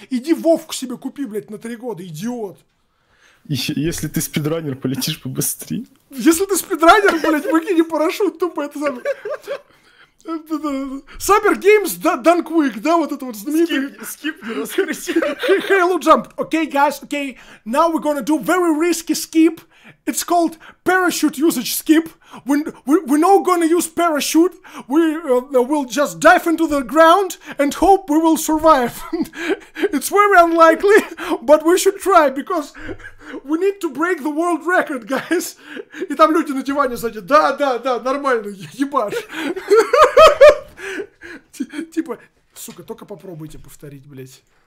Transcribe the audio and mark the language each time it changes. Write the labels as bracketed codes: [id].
[ru] Иди Вовку себе купи, блять, на 3 года, идиот. Если ты спидранер, полетишь побыстрее. Если ты спидранер, блядь, выкини парашют, тупо это сам. Cyber Games Dunk Week, да, вот это вот знаменитое. Скип, не раскрыти. [en] Halo Jump. Okay, guys, okay. Now we're gonna do very risky skip. It's called parachute usage skip. We're not gonna use parachute. We'll just dive into the ground and hope we will survive. It's very unlikely, but we should try, because we need to break the world record, guys. [ru] И там люди на диване сзади. Да, да, да, нормально, ебаш. Типа, сука, только попробуйте повторить, блять.